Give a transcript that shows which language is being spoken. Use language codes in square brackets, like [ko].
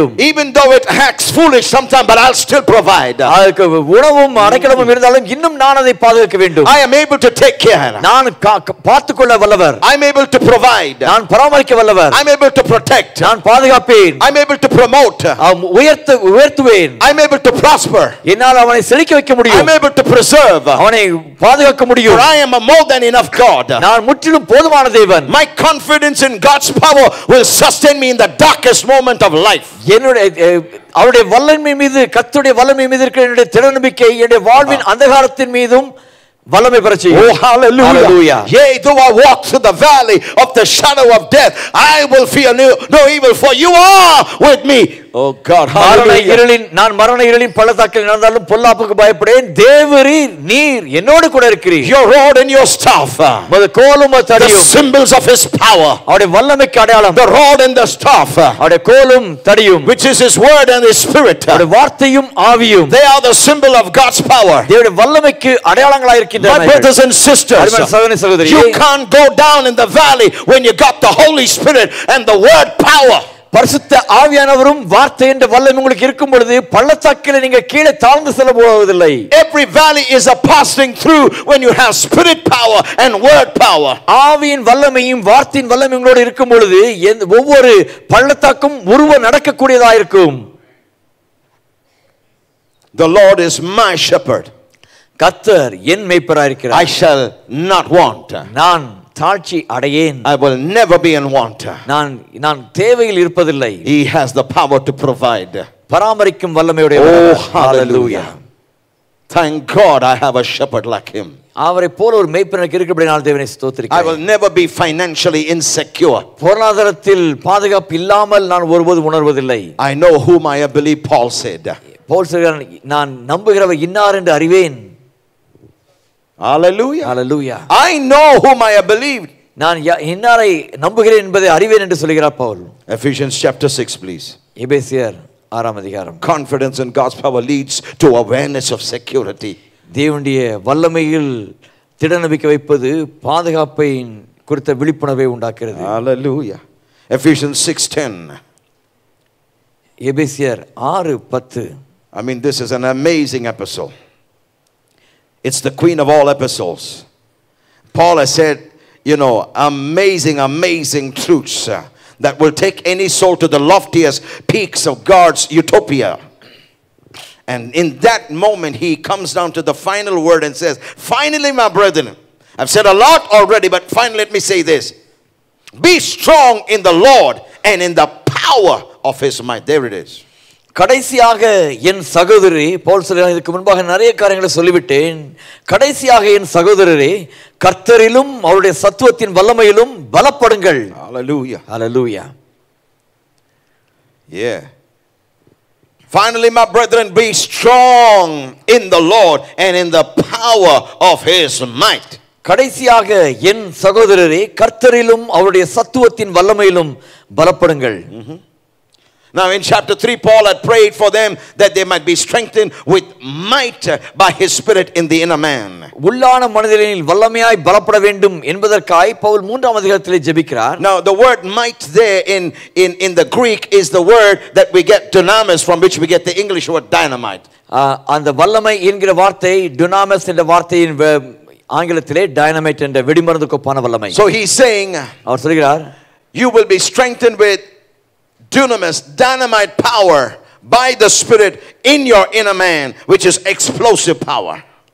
[en] Even though it acts foolish sometimes, but I'll still provide. [ta] அதற்கு உணவும் அடைக்கலமும் இருந்தாலும் இன்னும் நான் அதை பாதுகாக்க வேண்டும். [en] I am able to take care. [ta] நான் பார்த்துக்கொள்ள வல்லவர். [en] I am able to provide. [ta] நான் பராமரிக்க வல்லவர். [en] I am able to protect. [ta] நான் பாதுகாப்பேன். [en] I am able to promote. [ta] உயர்த்துவேன். [en] I am able to prosper. [ta] என்னால் அவனை செழிக்க வைக்க முடியும். [en] I am able to preserve. [ta] அவனை பாதுகாக்க முடியும். [en] For I am a more than enough God. [ta] நான் முற்றிலும் போதுமான தேவன். [en] My confidence in God's power will sustain me in the darkest moment of life. [ta] அவருடைய வல்லமை மீது கர்த்தருடைய வல்லமை மீது இருக்கிற என்னுடைய திட நம்பிக்கை என்னுடைய வாழ்வின் அந்தகாரத்தின் மீதும் வல்லமை பெற செய்யும். [en] Oh hallelujah. Yea, though I walk through the valley of the shadow of death, I will fear no evil, for you are with me. Oh God, [ta] நான் மரண இருளின் பள்ளத்தாக்கில் நடந்தாலும் பொல்லாப்புக்கு பயப்படேன், தேவரீ நீர் என்னோடு கூட இருக்கிறீர். [en] Your rod and your staff, the kolum and tadiyum, the symbols of his power, [ta] அவருடைய வல்லமைக்கு அடையாளம். [en] The rod and the staff, [ta] அவருடைய கோலும் தடியும், [en] which is his word and his spirit, [ta] அவருடைய வார்த்தையும் ஆவியும், [en] they are the symbol of God's power, [ta] தேவனுடைய வல்லமைக்கு அடையாளங்களாக இருக்கின்றன. [en] My brothers and sisters, you can't go down in the valley when you got the Holy Spirit and the word power. [ta] பரிசுத்த ஆவியானவரும் வார்த்தை என்ற வல்லமை உங்களுக்கு இருக்கும் பொழுது பள்ளத்தாக்கில் நீங்க கீழே தாழ்ந்து செல்ல போவதில்லை. [en] Every valley is a passing through when you have spirit power and word power. [ta] ஆவியின் வல்லமையும் வார்த்தையின் வல்லமையும் உங்களோடு இருக்கும் பொழுது ஒவ்வொரு பள்ளத்தாக்கும் உருவ நடக்கக்கூடியதாக இருக்கும். [en] The Lord is my shepherd. [ta] கர்த்தர் என் மேய்ப்பராய் இருக்கிறார். [en] I shall not want. [ta] நான் தாழ்ச்சி அடையேன். [en] I will never be in want. [ta] நான் தேவையில் இருப்பதில்லை. [en] He has the power to provide. [ta] பராமரிக்கும் வல்லமையுடைய. [en] Oh hallelujah. Thank God I have a shepherd like him. [ta] அவரை போல ஒரு மேய்ப்பனுக்கு இருக்கிறபடி நான் தேவனை ஸ்தோத்திரிக்கிறேன். [en] I will never be financially insecure. [ta] பொருளாதாரத்தில் பாதுகாப்பு இல்லாமல் நான் ஒருபோதும் உணர்வதில்லை. [en] I know whom I believe, Paul said. [ta] Pavul சொல்கிறார், நான் நம்புகிறவர் இன்னார் என்று அறிவேன். [en] Hallelujah, hallelujah. I know whom I have believed. [ta] நான் இன்னாரை நம்புகிறேன் என்பதை அறிவேன் என்று சொல்கிறார் பவுல். [en] Ephesians chapter 6 please. [ta] எபேசியர் 6 அதிகாரம். [en] Confidence in God's power leads to awareness of security. [ta] தேவனுடைய வல்லமையில் திடநம்பிக்கை வைப்பது பாதுகாப்பை குறித்த விழிப்புணர்வை உண்டாக்குகிறது. [en] Hallelujah. Ephesians 6:10. [ta] எபேசியர் 6:10. [en] I mean, this is an amazing episode. It's the queen of all epistles. Paul has said, you know, amazing truths that will take any soul to the loftiest peaks of God's utopia. And in that moment, he comes down to the final word and says, finally, my brethren, I've said a lot already, but finally, let me say this. Be strong in the Lord and in the power of his might. There it is. [ta] கடைசியாக என் சகோதரி, பவுல் சொல்கிறார், இதுக்கு முன்பாக நிறைய காரியங்களை சொல்லிவிட்டேன், கடைசியாக என் சகோதரரே, கர்த்தரிலும் அவருடைய சத்துவத்தின் வல்லமையிலும் பலப்படுங்கள். [en] Hallelujah, hallelujah. Yeah. Finally, my brethren, be strong in the Lord and in the power of his might. [ta] கடைசியாக என் சகோதரரே, கர்த்தரிலும் அவருடைய சத்துவத்தின் வல்லமையிலும் பலப்படுங்கள். [en] Now in chapter 3, Paul had prayed for them that they might be strengthened with might by his spirit in the inner man. [ta] உள்ளான மனதிலே வல்லமையாய் பலப்பட வேண்டும் என்பதற்காய் பவுல் மூன்றாம் அதிகாரத்தில் ஜெபிக்கிறார். [en] Now the word might there in the Greek is the word that we get dunamis, from which we get the English word dynamite. [ta] அந்த வல்லமை என்கிற வார்த்தை dunamis என்ற வார்த்தையின் ஆங்கிலத்திலே டைனமைட் என்ற வெடிமருந்துக்கு ஒப்பான வல்லமை. [en] So he's saying, [ta] அவர் சொல்கிறார், [en] you will be strengthened with dunamis, dynamite power by the spirit in your inner man, which is explosive power.